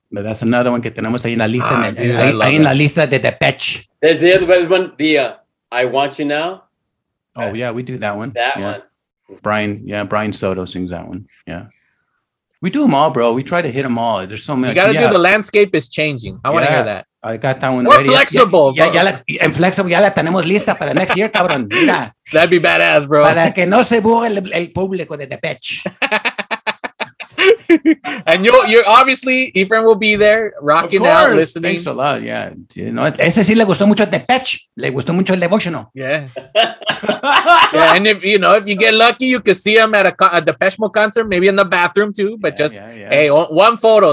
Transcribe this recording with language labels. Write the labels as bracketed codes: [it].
[en] But that's another one [es] que tenemos ahí en la lista. Ahí en la lista de Depeche. [en] There's the other one, the I Want You Now. Oh, yeah, we do that one. Brian Soto sings that one, yeah. We do them all, bro. We try to hit them all. There's so many. You got to do The Landscape is Changing. I want to hear that. I got that one. We're flexible. Yeah, flexible. [es] Ya la tenemos lista para [en] next year, [es] cabrón. Mira. [en] That'd be badass, bro. [es] Para que no se burle el público de Depeche. [en] And you're obviously, Ephraim will be there rocking out, listening. Thanks a lot. Yeah. You know, [es] ese sí le gustó mucho [en] Depeche. [es] Le gustó mucho el devotional. [en] Yeah. Yeah. And if you get lucky, you could see him at a Depeche Mode concert, maybe in the bathroom too, but hey, one photo.